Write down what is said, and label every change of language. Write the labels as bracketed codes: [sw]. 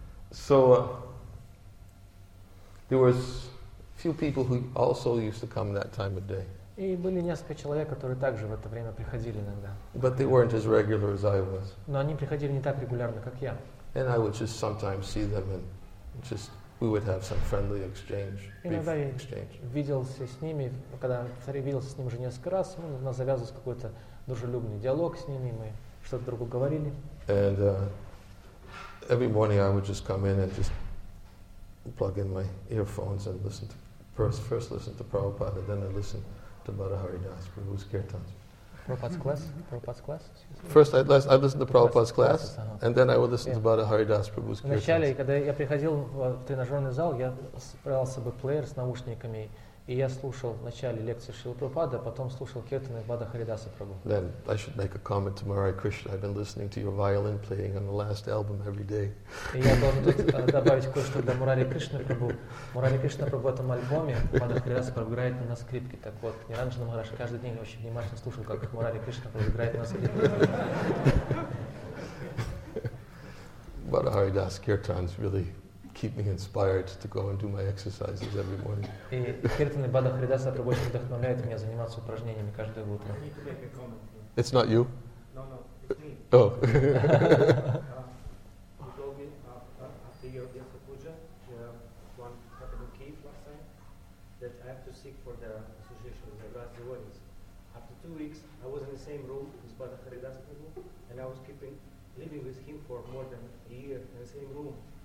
[en] So there was few people who also used to come that time of day. [ru] И были несколько человек, которые также в это время приходили иногда. [en] But they weren't as regular as I was. [ru] Но они приходили не так регулярно, как я. [en] And I would just sometimes see them and just we would have some friendly exchange. [ru] Иногда я виделся с ними, когда царь виделся с ним уже несколько раз, ну, у нас завязывался какой-то дружелюбный диалог с ними, мы что-то друг другу говорили. [en] And every morning I would just come in and just plug in my earphones and listen to first listen to Prabhupada, then I listen to Madhuri Das Prabhu's kirtans. First, I listen to Prabhupada's class, and then I will listen to Madhuri Das Prabhu's kirtans. [ru] Вначале, когда я приходил в тренажерный зал, я брал с собой плеер с наушниками, и я слушал вначале лекции Шрилы Прабхупады, потом слушал киртаны Мадхури Даса Прабху. [en] Then I should make a comment to Maharaj Krishna. I've been listening to your violin playing on the last album every day. [ru] И я должен тут добавить кое-что для Мурари Кришны Прабху. Мурари Кришна Прабху в этом альбоме Мадхури Даса Прабху играет на скрипке. Так вот, Ниранджан Махарадж каждый день очень внимательно слушал, как Мурари Кришна Прабху играет на скрипке. [en] Мадхури Дас киртанс really keep me inspired to go and do my exercises every morning. [ru] И киртаны Мадхури Даса Прабху очень вдохновляют меня заниматься упражнениями каждое утро. [en] It's not you? No, it's me. Oh. You told me after your Yasa Puja, one happened in Kiev last time, that I have to seek for the association with the Ras Devotees. After 2 weeks, I was in the same room with Madhuri Das Prabhu, and I was living with him for more than a year in the same room.